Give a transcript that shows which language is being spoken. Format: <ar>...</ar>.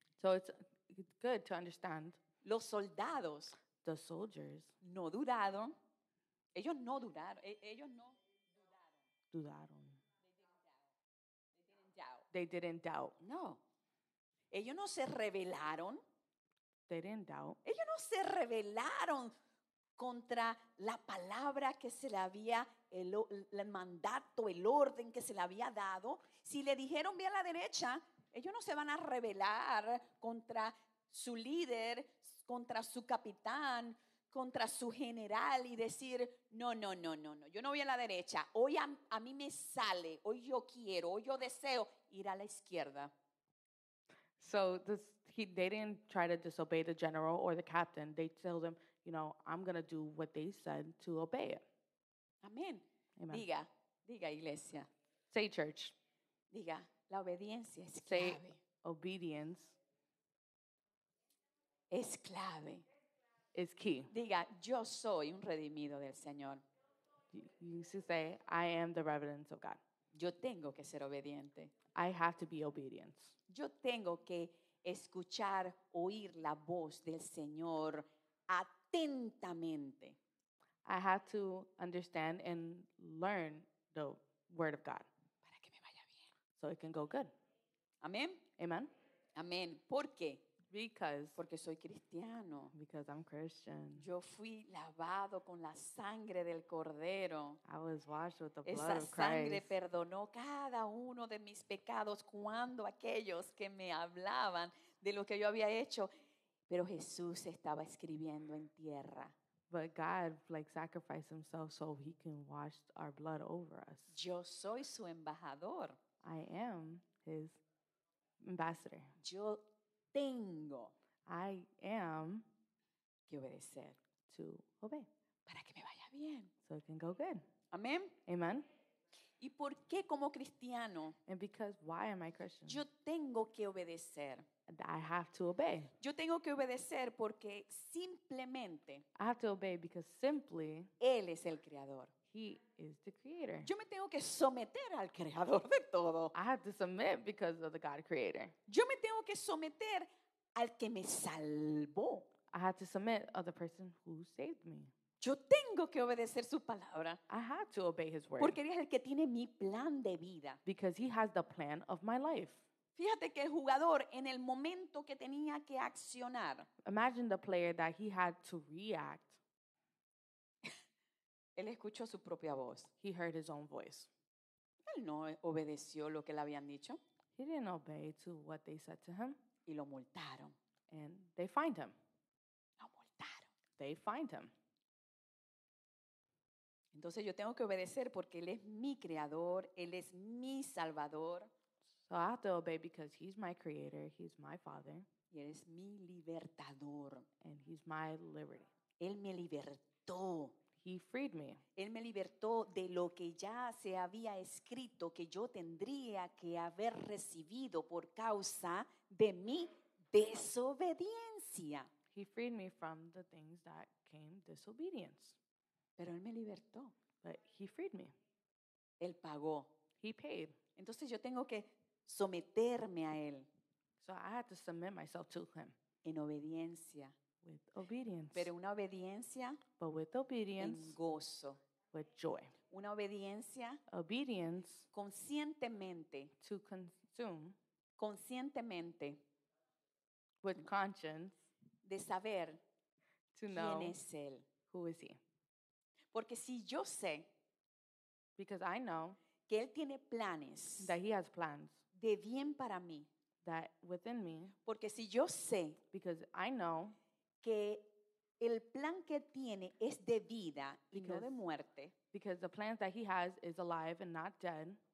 <en>so it's good to understand,</en> <es>los soldados,</es> <en>the soldiers,</en> <es>no dudaron, ellos no dudaron, ellos no dudaron, dudaron.</es> <en>They didn't doubt.</en> <es>No. Ellos no se rebelaron.</es> <en>They didn't doubt.</en> <es>Ellos no se rebelaron contra la palabra que se le había, el mandato, el orden que se le había dado. Si le dijeron bien a la derecha, ellos no se van a rebelar contra su líder, contra su capitán, contra su general y decir, no, no, no, no, no, yo no voy a la derecha. Hoy a mí me sale, hoy yo quiero, hoy yo deseo ir a la izquierda.</es> <en>So this, they didn't try to disobey the general or the captain. They tell them, you know, I'm going to do what they said to obey it.</en> <es>Amén.</es> <en>Amen.</en> <es>Diga, diga iglesia.</es> <en>Say church.</en> <es>Diga, la obediencia es clave.</es> <en>Say obedience.</en> <es>Es clave.</es> <en>Is key.</en> <es>Diga, yo soy un redimido del Señor.</es> <en>You should say, I am the remnant of God.</en> <es>Yo tengo que ser obediente.</es> <en>I have to be obedient.</en> <es>Yo tengo que escuchar, oír la voz del Señor atentamente.</es> <en>I have to understand and learn the word of God.</en> <es>Para que me vaya bien.</es> <en>So it can go good.</en> <es>Amén.</es> <en>Amen.</en> <es>Amén. ¿Por qué? Porque soy cristiano.</es> <en>Because I'm Christian.</en> <es>Yo fui lavado con la sangre del Cordero.</es> <en>I was washed with the blood of Christ.</en> <es>Esa sangre perdonó cada uno de mis pecados cuando aquellos que me hablaban de lo que yo había hecho. Pero Jesús estaba escribiendo en tierra.</es> <en>But God like sacrificed himself so he can wash our blood over us.</en> <es>Yo soy su embajador.</es> <en>I am his ambassador.</en> <es>Yo tengo.</es> <en>I am.</en> <es>Que obedecer.</es> <en>To obey.</en> <es>Para que me vaya bien.</es> <en>So it can go good.</en> <es>Amen.</es> <en>Amen.</en> <es>¿Y por qué como cristiano?</es> <en>And because why am I Christian?</en> <es>Yo tengo que obedecer.</es> <en>I have to obey.</en> <es>Yo tengo que obedecer porque simplemente.</es> <en>I have to obey because simply.</en> <es>Él es el creador.</es> <en>He is the creator.</en> <es>Yo me tengo que someter al creador de todo.</es> <en>I have to submit because of the God creator.</en> <es>Yo me tengo que someter al que me salvó.</es> <en>I have to submit to the person who saved me.</en> <es>Yo tengo que obedecer su palabra.</es> <en>I have to obey his word.</en> <es>Porque él es el que tiene mi plan de vida.</es> <en>Because he has the plan of my life.</en> <es>Fíjate que el jugador en el momento que tenía que accionar.</es> <en>Imagine the player that he had to react.</en> <es>Él escuchó su propia voz.</es> <en>He heard his own voice.</en> <es>Él no obedeció lo que le habían dicho.</es> <en>He didn't obey to what they said to him.</en> <es>Y lo multaron.</es> <en>And they fined him.</en> <es>Lo multaron.</es> <en>They fined him.</en> <es>Entonces yo tengo que obedecer porque él es mi creador, él es mi salvador.</es> <en>So I have to obey because he's my creator, he's my father.</en> <es>Y él es mi libertador.</es> <en>And he's my liberty.</en> <es>Él me libertó.</es> <en>He freed me.</en> <es>Él me libertó de lo que ya se había escrito que yo tendría que haber recibido por causa de mi desobediencia.</es> <en>He freed me from the things that came disobedience.</en> <es>Pero él me libertó.</es> <en>But he freed me.</en> <es>Él pagó.</es> <en>He paid.</en> <es>Entonces yo tengo que someterme a él.</es> <en>So I have to submit myself to him.</en> <es>En obediencia.</es> <en>With obedience.</en> <es>Pero una obediencia.</es> <en>But with obedience.</en> <es>En gozo.</es> <en>With joy.</en> <es>Una obediencia.</es> <en>Obedience.</en> <es>Conscientemente.</es> <en>To consume.</en> <es>Conscientemente.</es> <en>With conscience.</en> <es>De saber.</es> <en>To know.</en> <es>Quién es él.</es> <en>Who is he?</en> <es>Porque si yo sé.</es> <en>Because I know.</en> <es>Que él tiene planes.</es> <en>That he has plans.</en> <es>De bien para mí.</es> <en>That within me.</en> <es>Porque si yo sé.</es> <en>Because I know.</en> <es>Que el plan que tiene es de vida y no de muerte.</es> <en>Because the plan that he has is alive and not dead.</en>